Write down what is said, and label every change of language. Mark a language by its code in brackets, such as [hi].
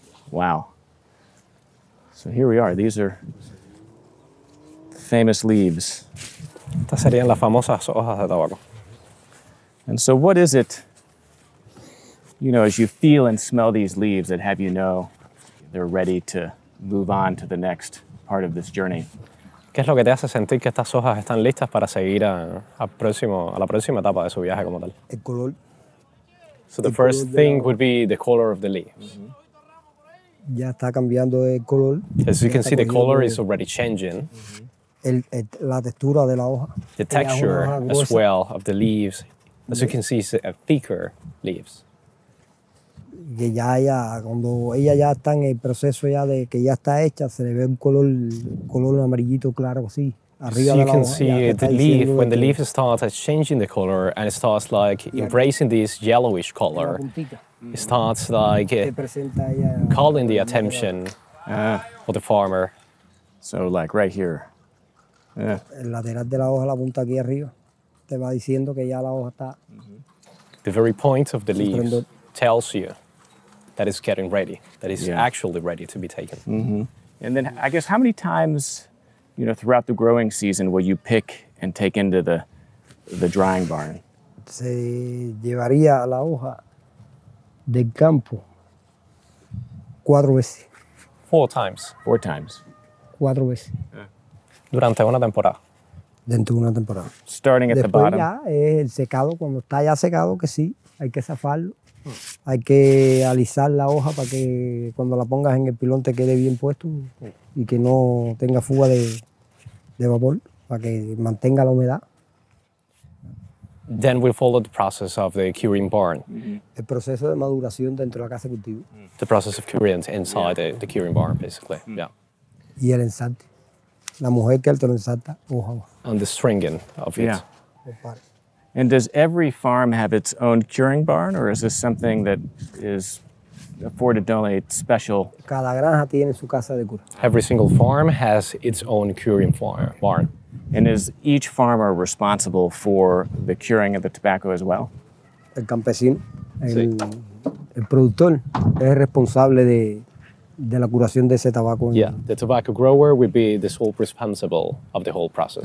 [en] Wow. So here we are. These are famous leaves. [es] Estas serían las famosas hojas de tabaco. [en] And so what is it, you know, as you feel and smell these leaves that have you know they're ready to move on to the next part of this journey? [es] ¿Qué es lo que te hace sentir que estas hojas están listas para seguir a la próxima etapa de su viaje como tal? El color. [en] So the first thing would be the color of the leaves. Mm-hmm. [es] Ya está cambiando de color. [en] As you can see, the color is already changing. [es] Mm-hmm. La textura de la hoja. [en] The texture as well of the leaves. As you can see, it's a thicker leaves. [es] Que ya cuando ella ya está en el proceso ya de que ya está hecha, se le ve un color amarillito claro así. [en] So you can see the leaf, when the leaf starts changing the color and it starts like embracing this yellowish color, it starts like calling the attention of the farmer. So like right here. [es] El lateral de la hoja, la punta aquí arriba, te va diciendo que ya la hoja está. [en] The very point of the leaves tells you that it's getting ready, that it's actually ready to be taken. Mm-hmm. And then I guess how many times, you know, throughout the growing season, will you pick and take into the drying barn? [es] Se llevaría la hoja del campo cuatro veces. [en] Four times. [es] Cuatro veces. Durante una temporada. Dentro de una temporada. [en] Starting at [es] Después [en] the bottom. [es] Después ya es el secado. Cuando está ya secado, que sí, hay que zafarlo. Hay que alisar la hoja para que cuando la pongas en el pilón te quede bien puesto y que no tenga fuga de vapor para que mantenga la humedad. [en] Then we follow the process of the curing barn. Mm-hmm. [es] El proceso de maduración dentro de la casa de cultivo. [en] The process of curing inside the curing barn, basically. Mm-hmm. Yeah. [es] Y el ensalte. La mujer que lo ensalta, hoja. [en] And the stringing of it. Yeah. And does every farm have its own curing barn, or is this something that is afforded only special? [es] Cada granja tiene su casa de cura. [en] Every single farm has its own curing barn. And is each farmer responsible for the curing of the tobacco as well? [es] El campesino, el productor, es responsable de la curación de ese tabaco. [en] Yeah, the tobacco grower would be the sole responsible of the whole process.